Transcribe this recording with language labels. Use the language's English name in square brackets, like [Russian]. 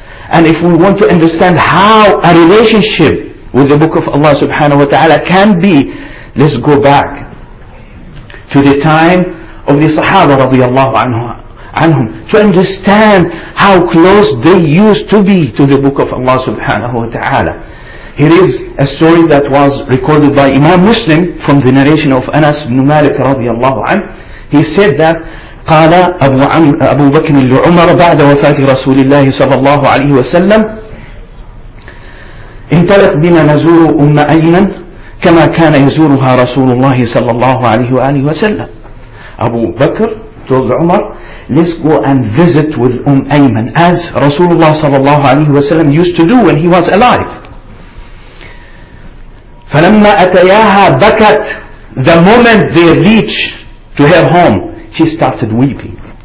[English] And if we want to understand how a relationship with the book of Allah subhanahu wa ta'ala can be, let's go back to the time of the Sahaba radiallahu anhum to understand how close they used to be to the book of Allah subhanahu wa ta'ala. Here is a story that was recorded by Imam Muslim from the narration of Anas ibn Malik radiallahu anhu. He said that [Arabic] قال أبو بكر لعمر بعد وفاة رسول الله صلى الله عليه وسلم انطلق بنا نزور أم أيمن كما كان يزورها رسول الله صلى الله عليه وآله وسلم. [English] أبو بكر told عمر let's go and visit with أم أيمن as رسول الله [Arabic] صلى الله عليه وسلم [English] used to do when he was alive. [Arabic] فلما أتياها بكت [English] the moment they reach to her home she started weeping.